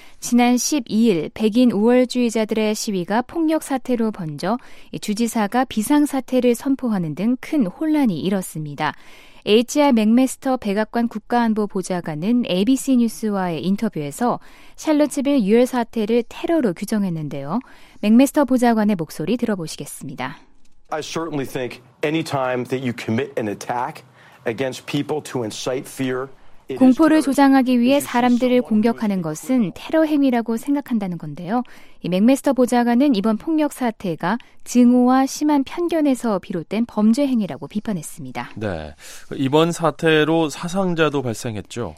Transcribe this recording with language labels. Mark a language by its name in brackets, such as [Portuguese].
[Korean] 지난 12일 백인 우월주의자들의 시위가 폭력 사태로 번져 주지사가 비상사태를 선포하는 등 큰 혼란이 일었습니다. H.R. 맥메스터 백악관 국가안보보좌관은 ABC 뉴스와의 인터뷰에서 샬럿스빌 유혈 사태를 테러로 규정했는데요. 맥메스터 보좌관의 목소리 들어보시겠습니다. [English] I certainly think any time that you commit an attack against people to incite fear, [Korean] 공포를 조장하기 위해 사람들을 공격하는 것은 테러 행위라고 생각한다는 건데요. 이 맥메스터 보좌관은 이번 폭력 사태가 증오와 심한 편견에서 비롯된 범죄 행위라고 비판했습니다. 네, 이번 사태로 사상자도 발생했죠.